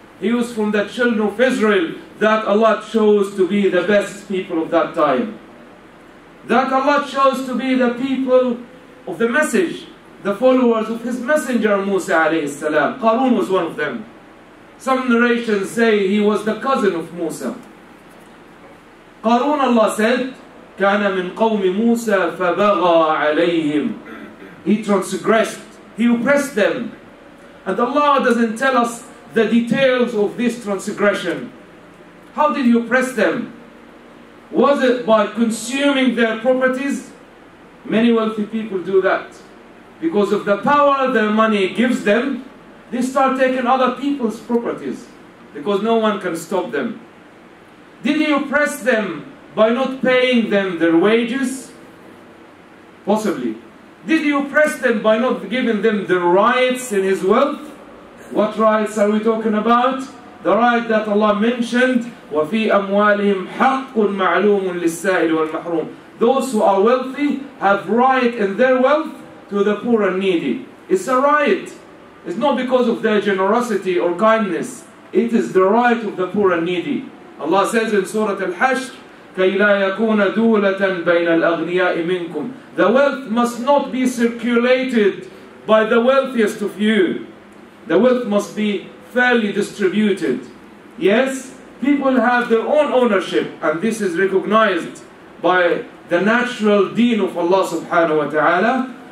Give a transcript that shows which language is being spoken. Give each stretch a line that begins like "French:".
English: He was from the children of Israel that Allah chose to be the best people of that time. That Allah chose to be the people of the message, the followers of his messenger Musa alayhi salam. Qarun was one of them. Some narrations say he was the cousin of Musa. Qarun, Allah said,
Arabic: كَانَ مِنْ قَوْمِ مُوسَى فَبَغَى عَلَيْهِمْ.
English: He transgressed. He oppressed them. And Allah doesn't tell us the details of this transgression. How did he oppress them? Was it by consuming their properties? Many wealthy people do that. Because of the power their money gives them, they start taking other people's properties because no one can stop them. Did he oppress them by not paying them their wages? Possibly. Did he oppress them by not giving them their rights in his wealth? What rights are we talking about? The right that Allah mentioned,
Arabic: وَفِي أَمْوَالِهِمْ حَقٌ مَعْلُومٌ لِلسَّائِلِ وَالْمَحْرُومِ.
English: Those who are wealthy have right in their wealth to the poor and needy. It's a right. It's not because of their generosity or kindness. It is the right of the poor and needy. Allah says in Surah Al-Hashr,
Arabic: كَيْ لَا يَكُونَ دُولَةً بَيْنَ الْأَغْنِيَاءِ مِنْكُمْ.
English: The wealth must not be circulated by the wealthiest of you. The wealth must be fairly distributed. Yes, people have their own ownership, and this is recognized by the natural deen of Allah subhanahu wa ta'ala.